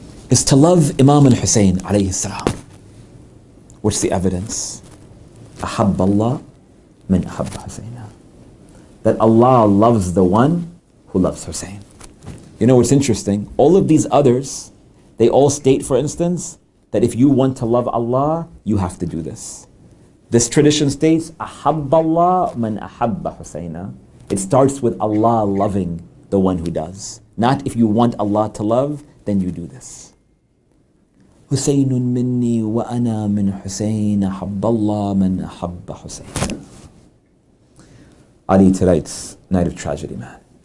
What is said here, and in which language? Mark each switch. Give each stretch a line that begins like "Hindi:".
English: Is to love Imam al-Hussein alayhi salam. What's the evidence?
Arabic: أَحَبَّ اللَّهُ مَنْ أَحَبَّ حُسَيْنًا.
English: That Allah loves the one who loves Hussein. You know what's interesting? All of these others, they all state, for instance, that if you want to love Allah, you have to do this. This tradition states,
Arabic: أَحَبَّ اللَّهُ مَنْ أَحَبَّ حُسَيْنًا.
English: It starts with Allah loving the one who does. Not if you want Allah to love, then you do this.
Arabic: حُسَيْنٌ مِنِّي وَأَنَا مِنْ حُسَيْنَ أَحَبَّ اللَّهُ مَنْ أَحَبَّ حُسَيْنًا.
English: Ali, tonight's night of tragedy, man.